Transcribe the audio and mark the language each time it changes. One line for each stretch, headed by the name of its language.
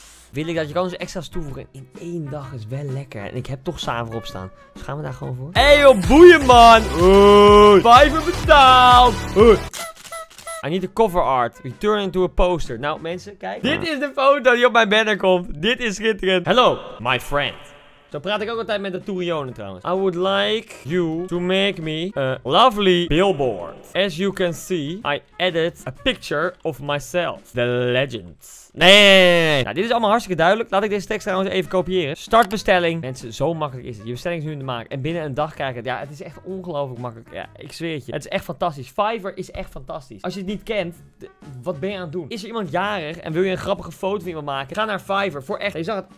Dutch: Wil ik dat? Je kan dus extra's toevoegen. In één dag is wel lekker. En ik heb toch saver op staan. Dus gaan we daar gewoon voor? Hey, joh, boeien, man. Fiverr betaald.
English: I need a cover art. Return into a poster.
Dutch: Nou, mensen, kijk. Ja. Dit is de foto die op mijn banner komt. Dit is schitterend.
English: Hello, my friend.
Dutch: Zo praat ik ook altijd met de Tourionen trouwens.
English: I would like you to make me a lovely billboard. As you can see, I added a picture of myself. The legend.
Dutch: Nee. Nou, dit is allemaal hartstikke duidelijk. Laat ik deze tekst trouwens even kopiëren. Start bestelling. Mensen, zo makkelijk is het. Je bestelling is nu in de maak. En binnen een dag krijg je het. Ja, het is echt ongelooflijk makkelijk. Ja, ik zweer het je. Het is echt fantastisch. Fiverr is echt fantastisch. Als je het niet kent, wat ben je aan het doen? Is er iemand jarig en wil je een grappige foto van iemand maken? Ga naar Fiverr. Voor echt. Je zag het.